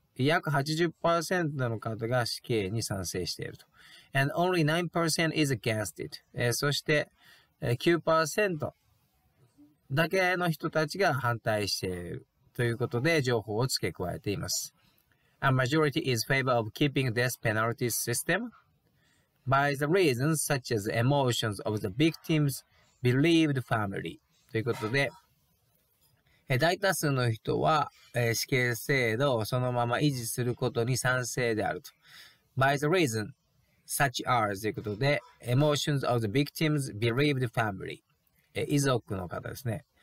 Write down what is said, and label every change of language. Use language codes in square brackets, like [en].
[ja] 約 80% の方が死刑に賛成していると。 [en] And only 9% is against it. [ja] そして、9% だけの人たちが反対しているということで情報を付け加えています。 [en] A majority is favor of keeping death penalty system by the reasons such as emotions of the victim's believed family. [ja] ということで、大多数の人は、死刑制度をそのまま維持することに賛成であると。 [en] By the reason, such as [ja] ということで、 [en] emotions of the victim's bereaved family、 [ja] 遺族の方ですね。